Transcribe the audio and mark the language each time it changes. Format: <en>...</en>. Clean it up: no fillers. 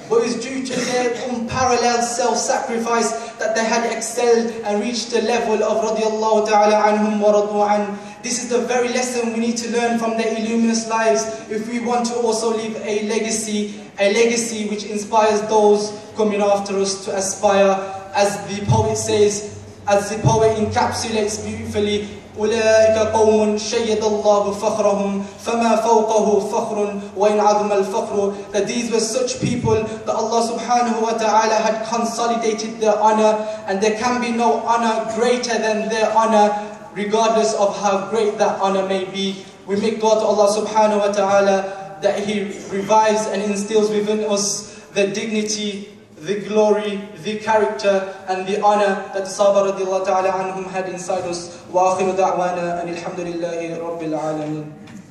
<en>But it was due to their unparalleled self-sacrifice that they had excelled and reached the level of radiallahu ta'ala anhum wa radu an. This is the very lesson we need to learn from their illuminous lives if we want to also leave a legacy which inspires those coming after us to aspire. As the poet says, as the poet encapsulates beautifully,</en> <ar>أولئك قوم شيد الله فخرهم فما فوقه فخر وإن عظم الفخر.</ar> <en>That these were such people that Allah subhanahu wa ta'ala had consolidated their honor, and there can be no honor greater than their honor, regardless of how great that honor may be. We make dua to Allah subhanahu wa ta'ala that He revives and instills within us the dignity, the glory, the character, and the honor that the Sahaba radiallahu ta'ala anhum had inside us.</en> <ar>وآخر دعوانا أن الحمد لله رب العالمين.</ar>